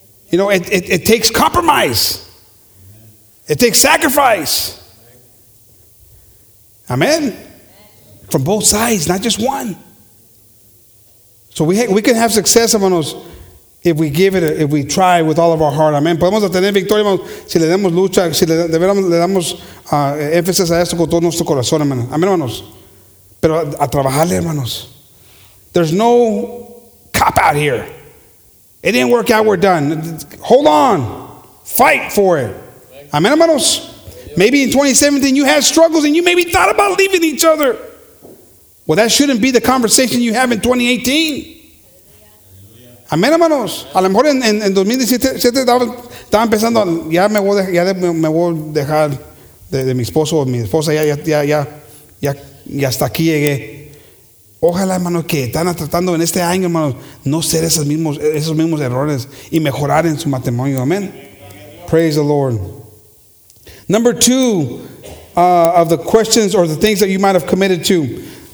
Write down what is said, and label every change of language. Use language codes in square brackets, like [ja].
[en] You know, it takes compromise. It takes sacrifice. Amen. From both sides, not just one. So we can have success, hermanos, if we give it, if we try with all of our heart. Amen. [es] Podemos tener victoria, hermanos, si le damos lucha, si le damos énfasis a esto con todo nuestro corazón, hermanos. Amen, hermanos. Pero a trabajarle, hermanos. [en] There's no cop out here. It didn't work out, we're done. Hold on. Fight for it. Amen, hermanos. Maybe in 2017 you had struggles and you maybe thought about leaving each other. Well, that shouldn't be the conversation you have in 2018. [es] Amén, hermanos. A lo mejor en 2017 estaba empezando, ya me voy a dejar de mi esposo o mi esposa, ya hasta aquí llegué. Ojalá, hermanos, que están tratando en este año, hermanos, no ser esos mismos errores y mejorar en su matrimonio. [en] Amén. Praise the Lord. Number two of the questions or the things that you might have committed to.